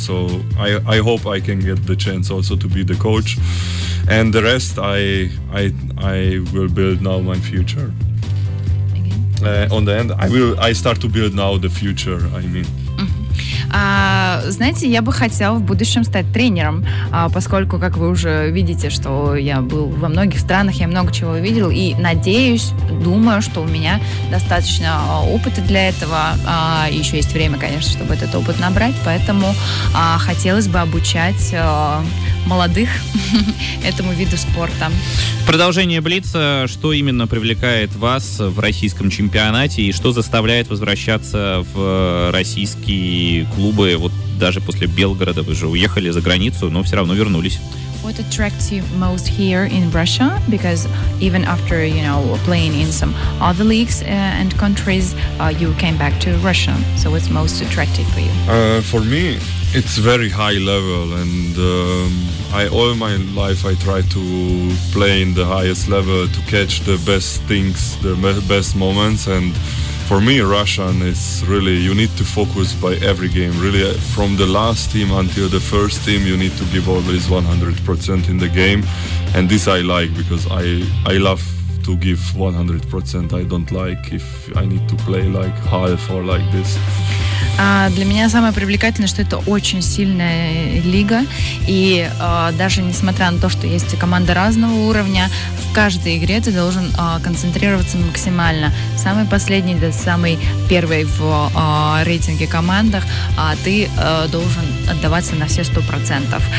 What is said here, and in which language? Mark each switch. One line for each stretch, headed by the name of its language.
English: So I hope I can get the chance also to be the coach, and the rest I will build now my future. On the end I start to build now the future, I mean.
Russian: Знаете, я бы хотела в будущем стать тренером, поскольку, как вы уже видите, что я был во многих странах, я много чего видел, и надеюсь, думаю, что у меня достаточно опыта для этого, еще есть время, конечно, чтобы этот опыт набрать, поэтому хотелось бы обучать молодых этому виду спорта. Продолжение блица. Что именно привлекает вас в российском чемпионате и что заставляет возвращаться в российский клубы, вот даже после Белгорода вы же уехали за границу, но все равно вернулись.
English: What attracts you most here in Russia? Because even after, you know, playing in some other leagues and countries, you came back to Russia. So what's most attractive for you? For me, it's very high level, and all my life I try to play in the highest level to catch the best things, the best moments. And for me, Russian is really, you need to focus by every game. Really, from the last team until the first team, you need to give always 100% in the game. And this I like, because I love to give 100%. I don't like if I need to play like half or like this.
Russian: Для меня самое привлекательное, что это очень сильная лига, и даже несмотря на то, что есть команды разного уровня, в каждой игре ты должен концентрироваться максимально. Самый последний, да, самый первый в рейтинге командах, ты должен отдаваться на все 100%.